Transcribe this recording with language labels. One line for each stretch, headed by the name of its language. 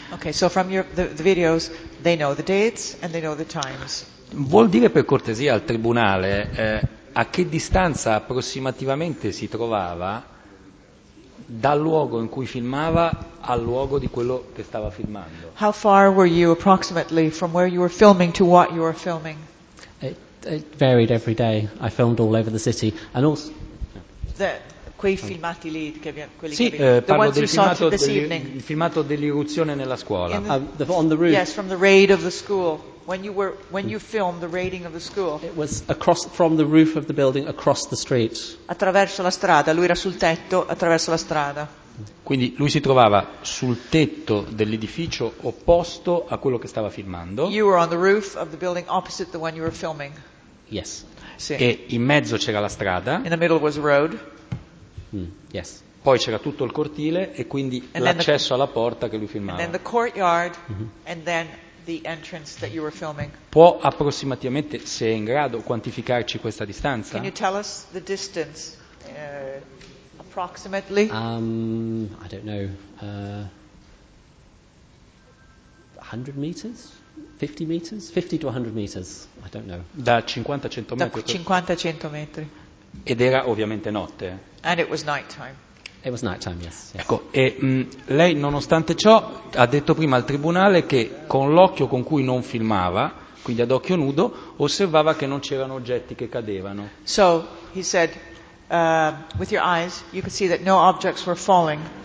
English: Ok, so from the videos they know the dates and they know the times.
Italian: Vuol dire per cortesia al tribunale a che distanza approssimativamente si trovava dal luogo in cui filmava al luogo di quello che stava filmando?
English: How far were you approximately from where you were filming to what you were filming? It varied every day. I filmed all over the city. And also
Italian: quei filmati lì, quelli sì, che parlo del filmato, il filmato dell'irruzione nella scuola.
English: On the roof. Yes, from the raid of the school. When you filmed the raiding of the school. It was across from the roof of the building across the street.
Italian: Attraverso la strada, lui era sul tetto attraverso la strada. Quindi lui si trovava sul tetto dell'edificio opposto a quello che stava filmando.
English: You were on the roof of the building opposite the one you were filming. Yes.
Italian: Sì. E in mezzo c'era la strada.
English: In the middle was a road. Yes.
Italian: Poi c'era tutto il cortile e quindi l'accesso alla porta che lui filmava.
English: And then the courtyard and then the entrance that you were filming.
Italian: Può approssimativamente, se è in grado, quantificarci questa distanza?
English: Can you tell us the distance? Approximately? I don't know. 100 meters? 50 meters? 50 to 100 meters? I don't know.
Italian: Da 50 a 100 metri. Da 50 a 100 metri. Ed era ovviamente notte.
English: And it was nighttime. It was nighttime, yes.
Italian: Ecco, e lei nonostante ciò ha detto prima al tribunale che con l'occhio con cui non filmava, quindi ad occhio nudo, osservava che non c'erano oggetti che cadevano.
English: So, he said, with your eyes, you could see that no objects were falling.